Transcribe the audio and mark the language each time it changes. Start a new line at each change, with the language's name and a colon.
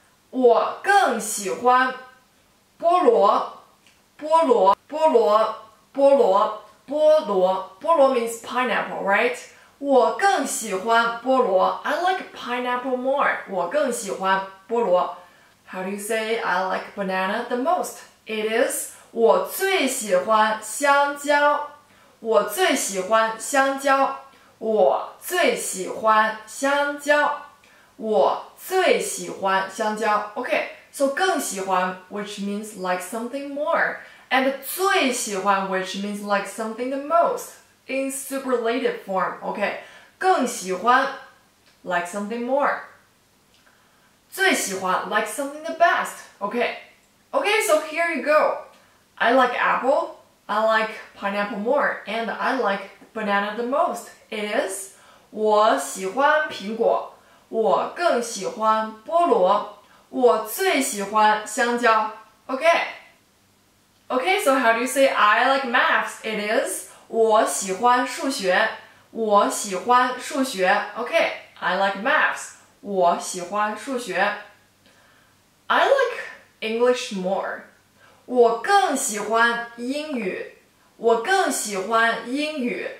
Chinese: 我更喜欢菠萝菠萝菠萝菠萝菠萝
English: 菠萝 means pineapple, right?
Chinese: 我更喜欢菠萝
English: I like pineapple more.
Chinese: 我更喜欢菠萝
English: How do you say I like banana the most? It is
Chinese: 我最喜欢香蕉我最喜欢香蕉我最喜欢香蕉我最喜欢香蕉
English: Okay, so 更喜欢 which means like something more and 最喜欢 which means like something the most in superlative form, okay
Chinese: 更喜欢
English: like something more
Chinese: 最喜欢
English: like something the best, okay Okay, so here you go I like apple, I like pineapple more and I like banana the most It is
Chinese: 我喜欢苹果我更喜欢菠萝我最喜欢香蕉
English: Okay Okay, so how do you say I like maths? It is
Chinese: 我喜欢数学我喜欢数学
English: Okay, I like maths
Chinese: 我喜欢数学
English: I like English more
Chinese: 我更喜欢英语我更喜欢英语